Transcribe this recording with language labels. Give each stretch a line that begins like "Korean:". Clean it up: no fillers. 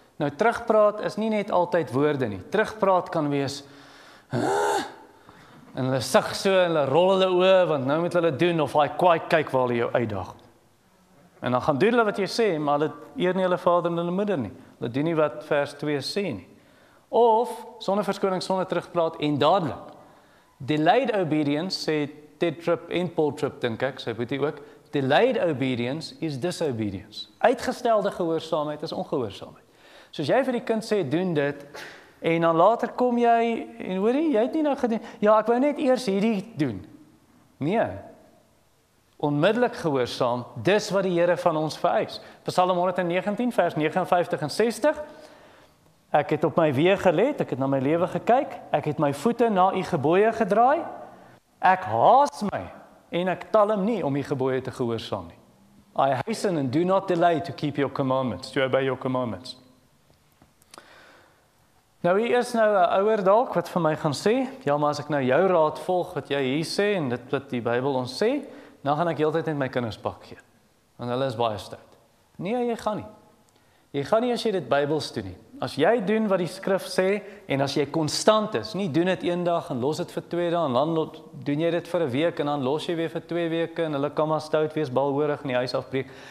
Afrikaans: Nou, terugpraat is nie net altyd woorde nie. Terugpraat kan wees, en hulle sug so, en hulle rol hulle oë, want nou moet hulle doen, of hy kwaai kyk waar hulle jou uitdag. En dan gaan doen hulle wat jy sê, maar hulle eer nie hulle vader en hulle moeder nie. Hulle doen nie wat vers 2 sê nie. Of, sonder verskoning, sonder terugpraat, en dadelijk.
English: Delayed obedience,
Afrikaans: sê Ted Tripp en Paul Tripp, dink ek, sê boetie ook,
English: delayed obedience is disobedience.
Afrikaans: Uitgestelde gehoorsaamheid is ongehoorsaamheid. So as jy vir die kind sê, doen dit, en dan later kom jy, en hoorie, jy het nie nou gedoen, ja, ek wou net eers hierdie doen. Nee, onmiddellik gehoorsaam, dis wat die Here van ons vereis. Psalm 119, vers 59 en 60, ek het op my weeg gelet, ek het na my lewe gekyk, ek het my voete na die gebooie gedraai, ek haas my, en ek talm nie om die gebooie te gehoorsaam nie.
English: I hasten and do not delay to keep your commandments, to obey your commandments.
Afrikaans: Nou, hier is nou een ouer dalk wat vir my gaan sê, ja, maar as ek nou jou raad volg wat jy hier sê, en dit wat die Bybel ons sê, dan gaan ek heel tyd net my kinders pak gee, want hulle is baie stout. Nee, jy gaan nie. Jy gaan nie as jy dit Bybels doen nie. As jy doen wat die skrif sê, en as jy constant is, nie doen het een dag en los het vir twee dag, en dan doen jy dit vir een week, en dan los jy weer vir twee weke, en hulle kan maar stout wees, balhoorig, in die huis afbreek.